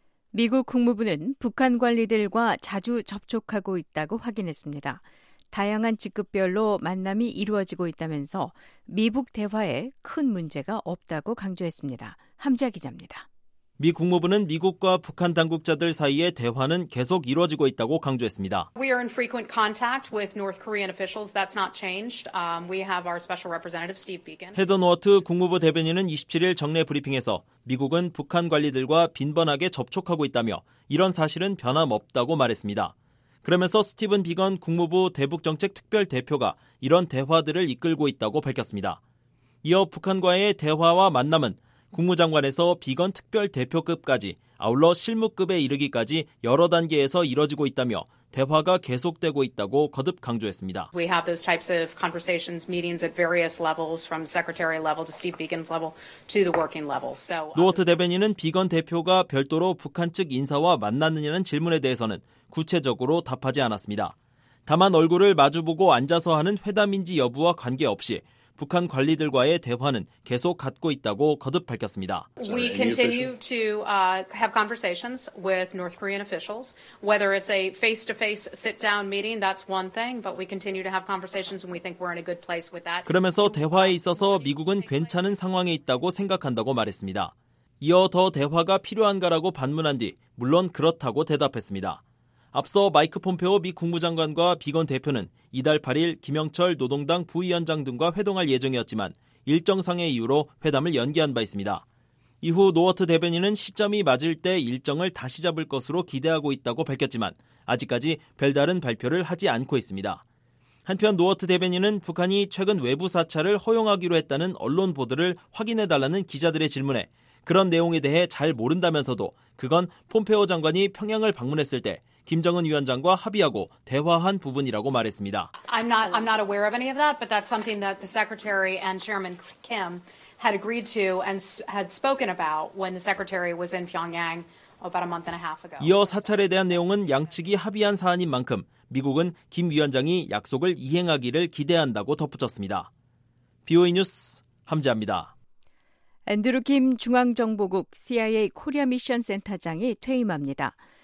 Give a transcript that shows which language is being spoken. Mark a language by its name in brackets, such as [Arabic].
[Korean] 미국 국무부는 북한 관리들과 자주 접촉하고 있다고 확인했습니다. 다양한 직급별로 만남이 이루어지고 있다면서 미북 대화에 큰 문제가 없다고 강조했습니다. 함지아 기자입니다. 미 국무부는 미국과 북한 당국자들 사이의 대화는 계속 이루어지고 있다고 강조했습니다. [English] We are in frequent contact with North Korean officials. That's not changed. We have our special representative Steve Beacon. [Korean] 헤더 노어트 국무부 대변인은 27일 정례 브리핑에서 미국은 북한 관리들과 빈번하게 접촉하고 있다며 이런 사실은 변함없다고 말했습니다. 그러면서 스티븐 비건 국무부 대북정책특별대표가 이런 대화들을 이끌고 있다고 밝혔습니다. 이어 북한과의 대화와 만남은 국무장관에서 비건 특별대표급까지 아울러 실무급에 이르기까지 여러 단계에서 이뤄지고 있다며 대화가 계속되고 있다고 거듭 강조했습니다. [English] We have those types of conversations, meetings at various levels, from secretary level to Steve Beacon's level to the working level. So [Korean] 노어트 대변인은 비건 대표가 별도로 북한 측 인사와 만났느냐는 질문에 대해서는 구체적으로 답하지 않았습니다. 다만 얼굴을 마주보고 앉아서 하는 회담인지 여부와 관계없이 북한 관리들과의 대화는 계속 갖고 있다고 거듭 밝혔습니다. [English] We continue to have conversations with North Korean officials. Whether it's a face-to-face sit-down meeting, that's one thing, but we continue to have conversations and we think we're in a good place with that. [Korean] 그러면서 대화에 있어서 미국은 괜찮은 상황에 있다고 생각한다고 말했습니다. 이어 더 대화가 필요한가라고 반문한 뒤 물론 그렇다고 대답했습니다. 앞서 마이크 폼페오 미 국무장관과 비건 대표는 이달 8일 김영철 노동당 부위원장 등과 회동할 예정이었지만 일정상의 이유로 회담을 연기한 바 있습니다. 이후 노어트 대변인은 시점이 맞을 때 일정을 다시 잡을 것으로 기대하고 있다고 밝혔지만 아직까지 별다른 발표를 하지 않고 있습니다. 한편 노어트 대변인은 북한이 최근 외부 사찰을 허용하기로 했다는 언론 보도를 확인해달라는 기자들의 질문에 그런 내용에 대해 잘 모른다면서도 그건 폼페오 장관이 평양을 방문했을 때 김정은 위원장과 합의하고 대화한 부분이라고 말했습니다. I'm not aware of any of that, but that's something that the secretary and chairman Kim had agreed to and had spoken about when the secretary was in Pyongyang about a month and a half ago. 이어 사찰에 대한 내용은 양측이 합의한 사안인 만큼 미국은 김 위원장이 약속을 이행하기를 기대한다고 덧붙였습니다. BOE 뉴스 함지아입니다. 앤드루 김 중앙정보국 CIA 코리아 미션 센터장이 퇴임합니다.